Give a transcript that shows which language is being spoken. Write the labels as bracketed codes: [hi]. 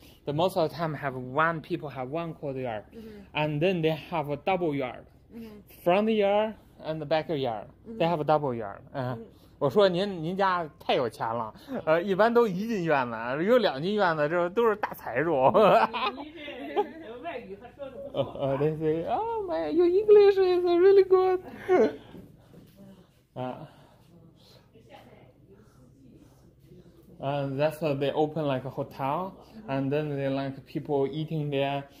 [en] The most of the time have one people have one courtyard, and then they have a double yard, front yard and the back yard. They have a double yard. [zh] 我说您家太有钱了，一般都一进院子，有两进院子，这都是大财主。您这外语还说的不错。 [en] They say, "Oh my, your English is really good." And that's why they open like a hotel, and then they like people eating there.